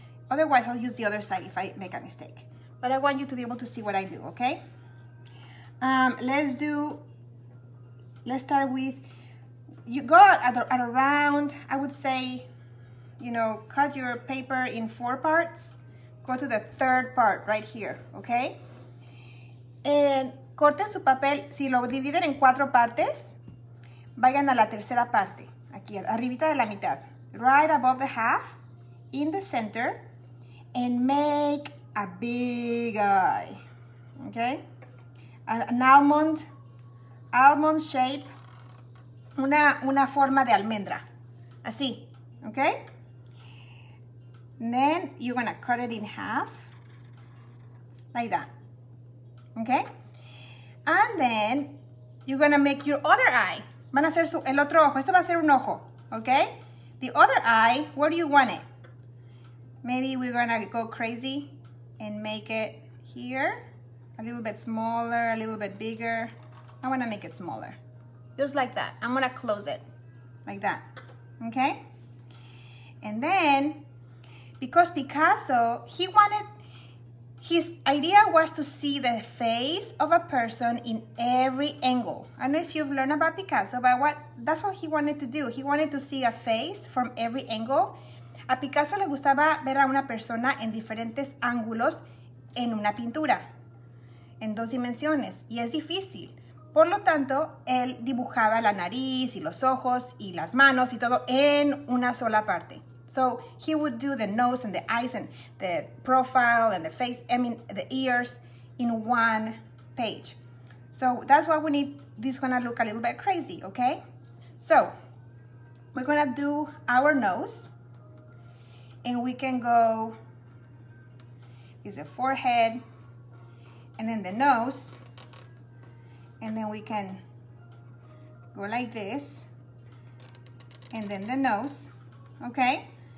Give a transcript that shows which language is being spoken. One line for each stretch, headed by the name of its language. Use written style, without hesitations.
English: Otherwise, I'll use the other side if I make a mistake. But I want you to be able to see what I do, okay? Let's start with... You go at around, I would say, you know, cut your paper in four parts. Go to the third part right here, okay? And...
Spanish: Corten su papel, si lo dividen en cuatro partes, vayan a la tercera parte, aquí, arribita de la mitad.
English: Right above the half, in the center, and make a big eye. Okay? An almond shape,
Spanish: una forma de almendra.
English: Así, okay? And then you're gonna cut it in half, like that. Okay? And then, you're going to make your other eye.
Spanish: Van a hacer el otro ojo. Esto va a ser un ojo,
English: okay? The other eye, where do you want it? Maybe we're going to go crazy and make it here. A little bit smaller, a little bit bigger. I want to make it smaller. Just like that. I'm going to close it. Like that. Okay? And then, because Picasso, he wanted... His idea was to see the face of a person in every angle. I don't know if you've learned about Picasso, but that's what he wanted to do. He wanted to see a face from every angle.
Spanish: A Picasso le gustaba ver a una persona en diferentes ángulos en una pintura, en dos dimensiones, y es difícil. Por lo tanto, él dibujaba la nariz y los ojos y las manos y todo en una sola parte.
English: So he would do the nose and the eyes and the profile and the face, I mean the ears, in one page. So that's why we need, this gonna look a little bit crazy, okay? So we're gonna do our nose and we can go, is the forehead and then the nose and then we can go like this and then the nose, okay?